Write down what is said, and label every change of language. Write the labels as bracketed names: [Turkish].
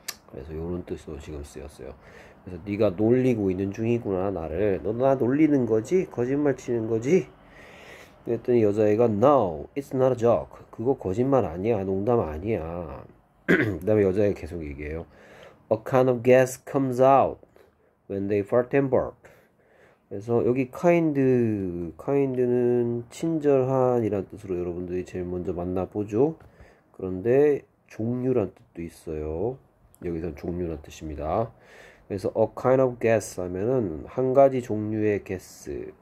[Korean] 그래서 이런 뜻으로 지금 쓰였어요. 그래서 네가 놀리고 있는 중이구나, 나를. 너나 놀리는 거지? 거짓말 치는 거지? 그랬더니 여자애가, [English] No, it's not a joke. [Korean] 그거 거짓말 아니야. 농담 아니야. 그다음에 여자애가 계속 얘기해요. [English] A kind of gas comes out when they fart and burp. [Korean] 그래서 여기 kind는 친절한 이란 뜻으로 여러분들이 제일 먼저 만나보죠. 그런데 종류란 뜻도 있어요. 여기서는 종류란 뜻입니다. 그래서 [English] a kind of gas [Korean] 하면은 한 가지 종류의 gas.